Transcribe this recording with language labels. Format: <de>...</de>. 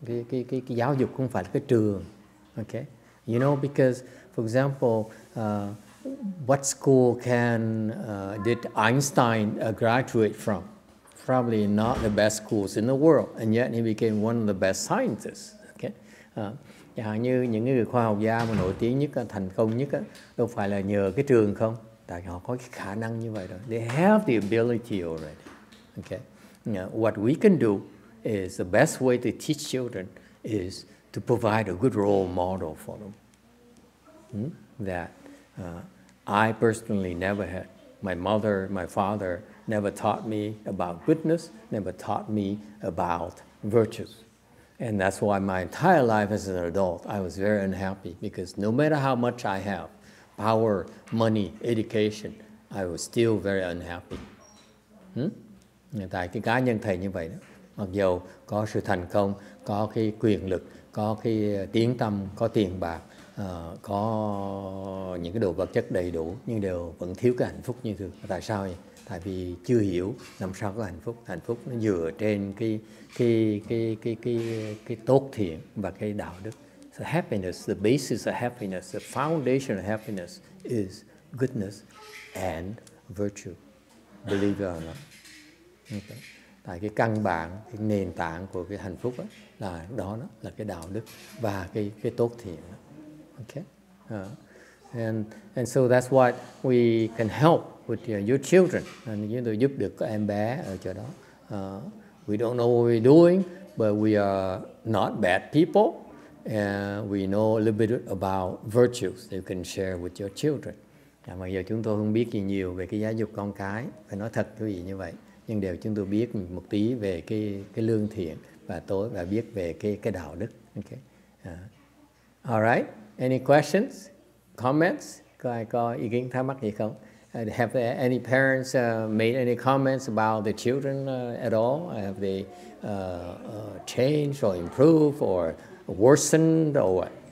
<vi>Cái giáo dục không phải là cái trường.</vi> <en>Okay? You know, because, for example, what school can did Einstein graduate from? Probably not the best schools in the world, and yet he became one of the best scientists. Okay,</en> <vi>chẳng hạn như những người khoa học gia mà nổi tiếng nhất, thành công nhất, đâu phải là nhờ cái trường không? Tại họ có cái khả năng như vậy rồi.</vi> <en>They have the ability already. Okay, now, what we can do is the best way to teach children is to provide a good role model for them. That I personally never had. My mother, my father never taught me about goodness, never taught me about virtues. And that's why my entire life as an adult, I was very unhappy, because no matter how much I have, power, money, education, I was still very unhappy.</en> <vi>Tại cái cá nhân thầy như vậy đó, mặc dù có sự thành công, có cái quyền lực, có cái tiếng tăm, có tiền bạc, có những cái đồ vật chất đầy đủ, nhưng đều vẫn thiếu cái hạnh phúc như thường. Tại sao vậy? Tại vì chưa hiểu làm sao có hạnh phúc. Hạnh phúc nó dựa trên cái tốt thiện và cái đạo đức.</vi> <en>So happiness, the basis of happiness, the foundation of happiness is goodness and virtue. Believe it or not. Okay.</en> <vi>Tại cái căn bản, cái nền tảng của cái hạnh phúc đó, là đó đó, là cái đạo đức và cái tốt thiện. Đó. Okay.</vi> <en>And so that's what we can help with your children, and you know,</en> <vi>giúp được em bé ở chỗ đó.</vi> <en>We don't know what we're doing, but we are not bad people, and we know a little bit about virtues that you can share with your children.</en> <vi>Mặc dù chúng tôi không biết gì nhiều về cái giáo dục con cái, phải nói thật quý vị như vậy, nhưng đều chúng tôi biết một tí về cái lương thiện và tối và biết về cái đạo đức.</vi> <en>Okay. All right. Any questions? Comments?</en> <vi>Có ai có ý kiến thắc mắc gì không?</vi> <en>Have any parents made any comments about the children at all? Have they changed or improved or worsened or what?</en>